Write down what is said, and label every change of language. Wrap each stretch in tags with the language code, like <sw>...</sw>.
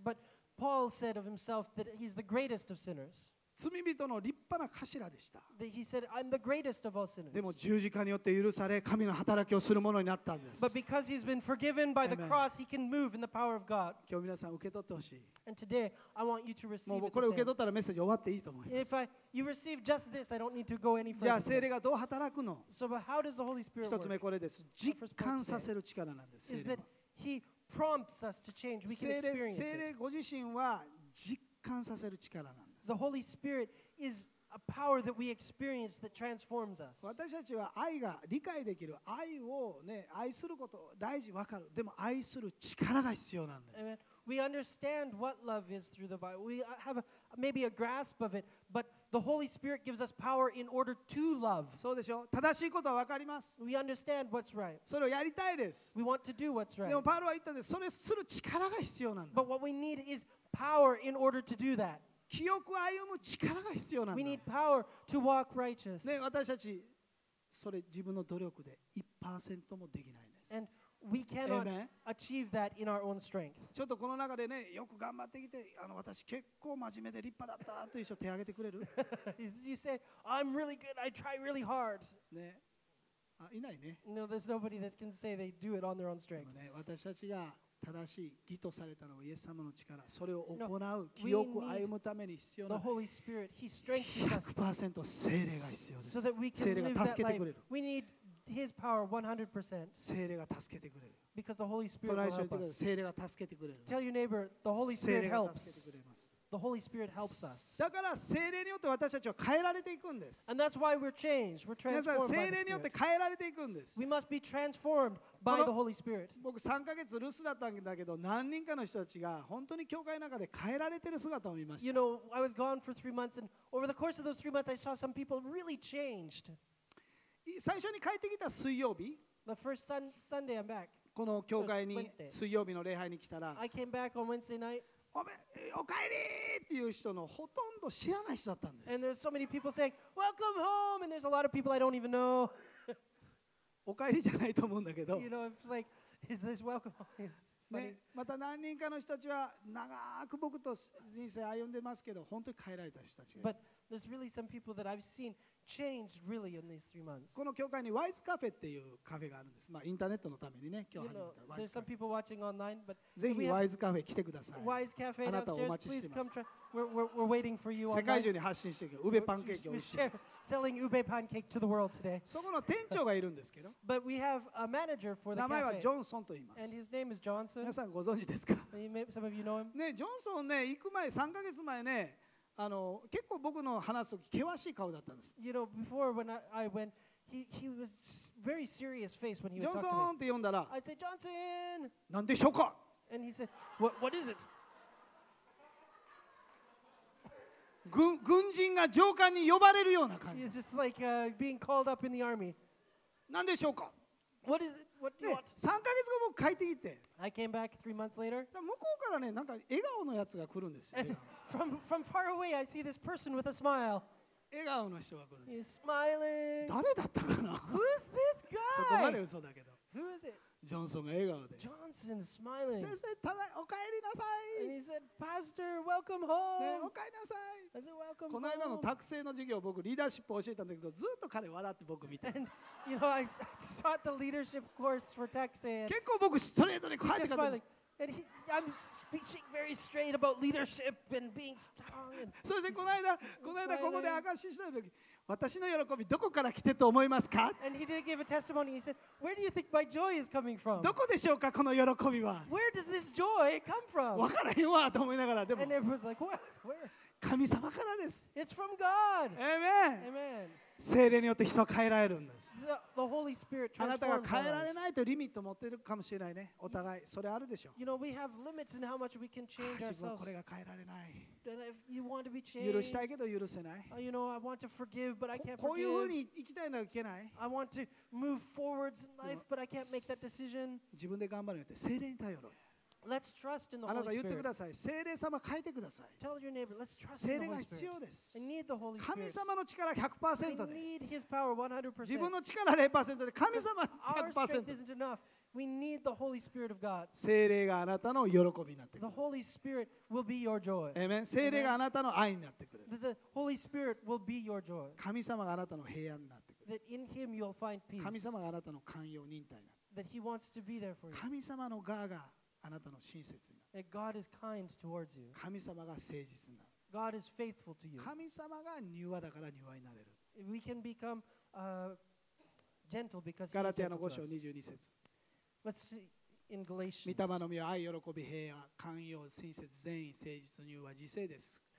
<en>But Paul said of himself that he's the greatest of sinners.</en> <ja>罪人の立派な頭でした。</ja> <en>He said, I'm the greatest of all sinners.</en> <ja>でも十字架によって許され、神の働きをするものになったんです。</ja> <en>But because he's been forgiven by the cross, he can move in the power of God.</en> <ja>今日皆さん受け取ってほしい。</ja> <en>And today, I want you to receive it.</en> <ja>もうこれ受け取ったらメッセージ終わっていいと思います。</ja> <en>If I, you receive just this, I don't need to go any further.</en> <ja>じゃあ聖霊がどう働くの？</ja> <en>So, but how does the Holy Spirit work?</en> <ja>一つ目これです。実感させる力なんです。</ja> <en>Is that he prompts us to change? We can experience it.</en> <ja>聖霊ご自身は実感させる力なんです。</ja> <en>The Holy Spirit is a power that we experience that transforms us.</en> <ja>私たちは愛が理解できる愛をね愛することを大事わかる。でも愛する力が必要なんです。</ja> <en>Amen. We understand what love is through the Bible. We have a, maybe a grasp of it, but the Holy Spirit gives us power in order to love.</en> <ja>そうでしょう。正しいことはわかります。</ja> <en>We understand what's right.</en> <ja>それをやりたいです。</ja> <en>We want to do what's right.</en> <ja>でもパウロは言ったんです。それする力が必要なんだ。</ja> <en>But what we need is power in order to do that.</en> <ja>清く歩む力が必要なんだ。</ja> <en>We need power to walk righteous.</en> <ja>ね、私たちそれ自分の努力で 1% もできないんです。</ja> <en>And we cannot achieve that in our own strength.</en> <ja>ちょっとこの中でね、よく頑張ってきて、私結構真面目で立派だったという人手挙げてくれる？</ja> <en>You say, I'm really good. I try really hard.</en> <ja>ね、あ、いないね。</ja> <en>No, there's nobody that can say they do it on their own strength.</en> <ja>ね、私たちが正しい義とされたのはイエス様の力、それを行う清く歩むために必要な 100% 聖霊が必要です。聖霊が助けてくれる。</ja> <en>We need his power 100%.</en> <ja>聖霊が助けてくれる。</ja> <en>Because the Holy Spirit will help us.</en> <ja>聖霊が助けてくれる。</ja> <en>Tell your neighbor, the Holy Spirit helps. The Holy Spirit helps us.</en> <ja>だから聖霊によって私たちは変えられていくんです。</ja> <en>And that's why we're changed. We're transformed by the Spirit.</en> <ja>聖霊によって変えられていくんです。</ja> <en>We must be transformed. By the Holy Spirit.</en> <ja>僕3ヶ月留守だったんだけど、何人かの人たちが本当に教会の中で変えられてる姿を見ました。</ja> <en>You know, I was gone for 3 months, and over the course of those 3 months, I saw some people really changed.</en> <ja>最初に帰ってきた水曜日、</ja> <en>The first Sunday I'm back.</en> <ja>この教会に水曜日の礼拝に来たら、</ja> <en>I came back on Wednesday night.</en> <ja>おかえりっていう人のほとんど知らない人だったんです。</ja> <en>And there's so many people saying, "Welcome home," and there's a lot of people I don't even know.</en> <ja>お帰りじゃないと思うんだけど。</ja> <en>You know, it's like, is this welcome?</en> <ja>ね、また何人かの人たちは長く僕と人生歩んでますけど、本当に変えられた人たち。</ja> <en>But there's really some people that I've seen changed really in these three months.</en> <ja>この教会にワイズカフェっていうカフェがあるんです。まあインターネットのためにね、今日始めた。</ja> <en>You know, there's some people watching online, but</en> <ja>ぜひワイズカフェ来てください。</ja> <en>Wise Cafe,</en> <ja>あなたをお待ちしています。</ja> <en>Please come try. We're waiting for you.</en> <ja>世界中に発信していく。ウベパンケーキを。</ja> <en>We're selling ube pancake to the world today.</en> <ja>そこの店長がいるんですけど。</ja> <en>But we have a manager for the cafe.</en> <ja>名前はジョンソンと言います。</ja> <en>And his name is Johnson.</en> <ja>皆さんご存知ですか？</ja> <en>Some of you know him.</en> <ja>ね、ジョンソンね、行く前3ヶ月前ね。結構僕の話すとき険しい顔だったんです。</ja> <en>You know, before when I went, he was very serious face when he was talking to me.</en> <ja>ジョンソンって呼んだら、</ja> <en>I said, Johnson!</en> <ja>なんでしょうか？</ja> <en>And he said, what is it?</en> <ja>軍人が上官に呼ばれるような感じ。</ja> <en>He's just like being called up in the army.</en> <ja>なんでしょうか？</ja> <en>What is it? What do you want?</en> <ja>3ヶ月後僕帰ってきて、</ja> <en>I came back 3 months later.</en> <ja>向こうからね、なんか笑顔のやつが来るんですよ。</ja> <en>From far away, I see this person with a smile.</en> <ja>笑顔の人が来る。</ja> <en>He's smiling.</en> <ja>誰だったかな？</ja> <en>Who's this guy?</en> <ja>そこまで嘘だけど。</ja> <en>Who is it?</en> <ja>ジョンソンが笑顔で。</ja> <en>Johnson smiling.</en> <ja>先生、ただお帰りなさい。</ja> <en>And he said, Pastor, welcome home.</en> <ja>ね、お帰りなさい。</ja> <en>I said, welcome home.</en> <ja>この間の託聖の授業、僕リーダーシップを教えたんだけど、ずっと彼笑って僕見て。</ja> <en>And you know, I taught the leadership course for 託聖。</en> <ja>結構僕ストレートに返ってきた。</ja> <en>And I'm speaking very straight about leadership and being strong.</en> <ja>そしてこの間ここで証ししたとき、私の喜びどこから来てと思いますか？</ja> <en>And he did give a testimony. He said, "Where do you think my joy is coming from?"</en> <ja>どこでしょうかこの喜びは？</ja> <en>Where does this joy come from?</en> <ja>わからへんわと思いながらでも。</ja> <en>And everyone's like, "Where? Where?"</en> <ja>神様からです。</ja> <en>It's from God. Amen. Amen.</en> <ja>聖霊によって人は変えられるんです。</ja> <en>The Holy Spirit transforms us.</en> <ja>あなたが変えられないとリミット持ってるかもしれないね。お互いそれあるでしょう。</ja> <en>You know, we have limits in how much we can change ourselves.</en> <ja>自分はこれが変えられない。</ja> <en>If you want to be changed,</en> <ja>許したいけど許せない。</ja> <en>You know, I want to forgive, but I can't forgive.</en> <ja>こういうふうに生きたいのはいけない。</ja> <en>I want to move forwards in life, but I can't make that decision.</en> <ja>自分で頑張るって聖霊に頼ろう。</ja> <en>Let's trust in the Holy Spirit.</en> <ja>あなた言ってください。聖霊様変えてください。</ja> <en>Tell your neighbor, let's trust in the Holy Spirit.</en> <ja>聖霊が必要です。</ja> <en>I need the Holy Spirit.</en> <ja>神様の力 100% で。</ja> <en>I need His power 100%.</en> <ja>自分の力 0% で神様 100%。</ja> <en>Our strength isn't enough. We need the Holy Spirit of God.</en> <ja>聖霊があなたの喜びになってくる。</ja> <en>The Holy Spirit will be your joy. Amen.</en> <ja>聖霊があなたの愛になってくる。</ja> <en>The Holy Spirit will be your joy.</en> <ja>神様があなたの平安になってくる。</ja> <en>That in Him you'll find peace.</en> <ja>神様があなたの寛容忍耐になってくる。</ja> <en>That He wants to be there for you.</en> <ja>神様の側があなたの親切になる。</ja> <en>God is kind towards you.</en> <ja>神様が誠実になる。</ja> <en>God is faithful to you.</en> <ja>神様が柔和だから柔和になれる。</ja> <en>We can become gentle because He is gentle to us.</en> <ja>ガラテヤの5章22節。</ja> <en>Let's see in Galatians.</en> <ja>御霊の御は愛、喜び、平安、寛容、親切、善意、誠実、柔和、自制です。</ja>